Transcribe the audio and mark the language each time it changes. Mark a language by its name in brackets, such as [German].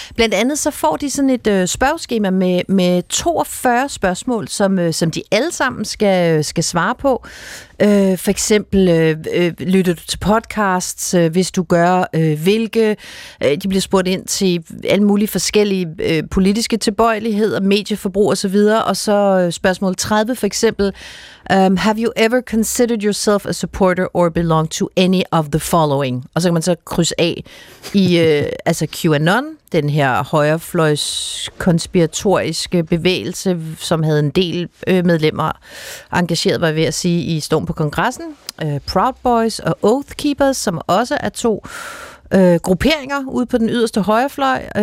[Danish] Blandt andet så får de sådan et spørgeskema med 42 spørgsmål, som de alle sammen skal svare på. For eksempel, lytter du til podcasts, hvis du gør, hvilke? De bliver spurgt ind til alle mulige forskellige politiske tilbøjeligheder, medieforbrug osv. Og så spørgsmål 30 for eksempel. [English] Have you ever considered yourself a supporter or belong to any of the following? [Danish] Og så kan man så krydse af i altså QAnon, den her højrefløjs konspiratoriske bevægelse, som havde en del medlemmer engageret, var ved at sige, i storm på kongressen. Proud Boys og Oath Keepers, som også er 2 grupperinger ude på den yderste højrefløj.